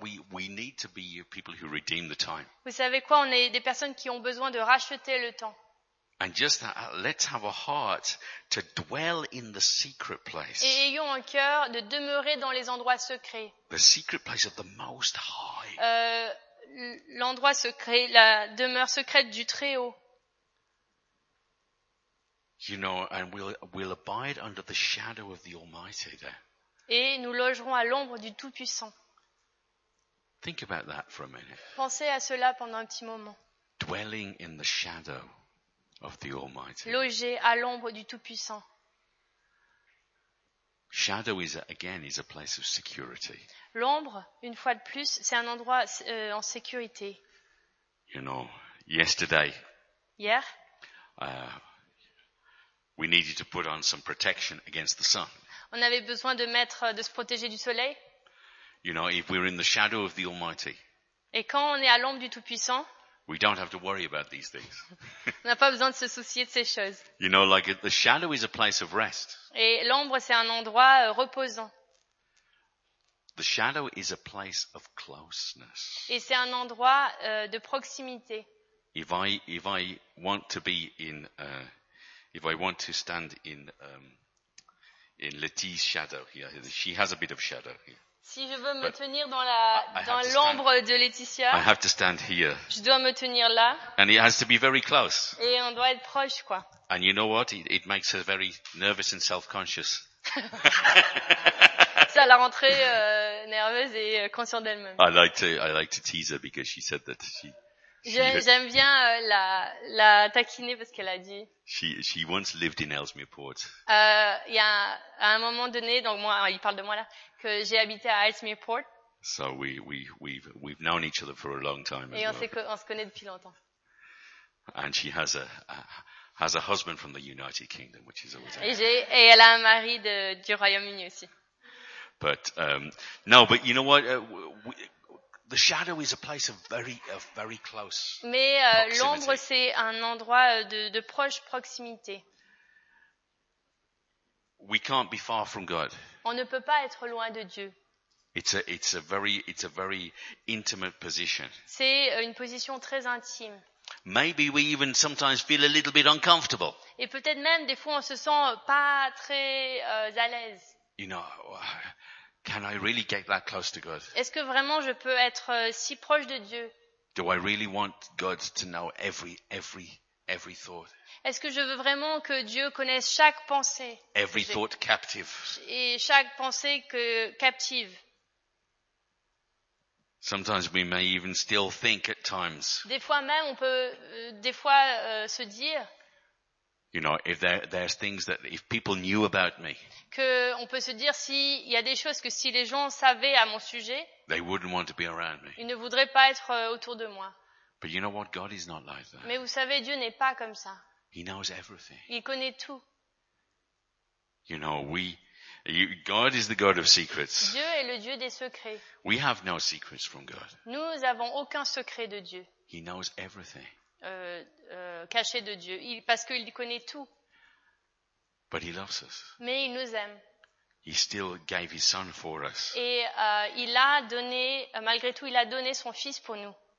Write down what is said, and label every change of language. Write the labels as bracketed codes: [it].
[en] We need to be people who redeem the time. [fr] Vous savez quoi? On est des personnes qui ont besoin de racheter le temps. [en] And just that, let's have a heart to dwell in the secret place. [fr] Et ayons un cœur de demeurer dans les endroits secrets. [en] The secret place of the Most High. [fr] L'endroit secret, la demeure secrète du Très-Haut. [en] You know, and we'll abide under the shadow of the Almighty there. [fr] Et nous logerons à l'ombre du Tout-Puissant. [en] Think about that for a minute. [fr] Pensez à cela pendant un petit moment. [en] Dwelling in the shadow of the Almighty. [fr] Logé à l'ombre du Tout-Puissant. [en] Shadow is again is a place of security. [fr] L'ombre, une fois de plus, c'est un endroit en sécurité. [en] You know, yesterday. [fr] Hier. [en] We needed to put on some protection against the sun. [fr] On avait besoin de se protéger du soleil. [en] You know, if we're in the shadow of the Almighty. [fr] Et quand on est à l'ombre du Tout-Puissant. [en] We don't have to worry about these things. [fr] On n'a pas besoin de se soucier de ces choses. [en] You know, like the shadow is a place of rest. [fr] Et l'ombre, c'est un endroit reposant. [en] The shadow is a place of closeness. [fr] Et c'est un endroit de proximité. [en] If I want to be in if I want to stand in Letty's shadow, yeah, she has a bit of shadow here. Yeah. [fr] Si je veux me tenir dans l'ombre de Laetitia, [en] I have to stand here. [fr] Je dois me tenir là. [en] And it has to be very close. [fr] Et on doit être proche, quoi. [en] And you know what? It makes her very nervous and self-conscious. [fr] Ça la rend très nerveuse et consciente d'elle-même. [en] I like to tease her because she said that [fr] j'aime bien la taquiner parce qu'elle a dit. [en] She once lived in Ellesmereport. [fr] Il y a à un moment donné, donc moi, il parle de moi là, que j'ai habité à Ellesmereport. [en] So we've known each other for a long time. [fr] Et [en] as [fr] on [en] well. [fr] On se connaît depuis longtemps. [en] And she has a husband from the United Kingdom, which is always. [fr] Et elle a un mari du Royaume-Uni aussi. [en] But no, but you know what? The shadow is a place of very close. [fr] Mais l'ombre c'est un endroit de proche proximité. [en] We can't be far from God. [fr] On ne peut pas être loin de Dieu. [en] It's a very intimate position. [fr] C'est une position très intime. [en] Maybe we even sometimes feel a little bit uncomfortable. [fr] Et peut-être même des fois on se sent pas très à l'aise. [en] You know, can I really get that close to God? [fr] Est-ce que vraiment je peux être si proche de Dieu? [en] Do I really want God to know every thought? [fr] Est-ce que je veux vraiment que Dieu connaisse chaque pensée? [en] Every thought captive. [fr] Et chaque pensée captive. [en] Sometimes we may even still think at times. [fr] Des fois même on peut se dire. [en] You know, if there's things that if people knew about me. [fr] Que on peut se dire s'il y a des choses que si les gens savaient à mon sujet. [en] They wouldn't want to be around me. [fr] Ils ne voudraient pas être autour de moi. [en] But you know what? God is not like that. [fr] Mais vous savez, Dieu n'est pas comme ça. [en] He knows everything. [fr] Il connaît tout. [en] You know, God is the God of secrets. [fr] Dieu est le Dieu des secrets. [en] We have no secrets from God. [fr] Nous avons aucun secret de Dieu. [en] He knows everything. [fr] Caché de Dieu, parce qu'il connaît tout. [en] But he loves us. [fr] Mais il nous aime. [en] He still gave his son for us. [fr] Et il a donné, malgré tout, il a donné son fils pour nous.